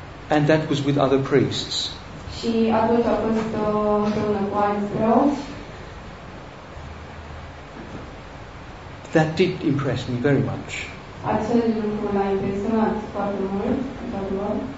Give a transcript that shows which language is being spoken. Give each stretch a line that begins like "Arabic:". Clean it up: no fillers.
English: And that was with other priests.
Romanian: Și atunci a fost împreună cu alți preoți.
English: That did impress me very much.
Romanian: Acel lucru l-a impresionat foarte mult, într-adevăr.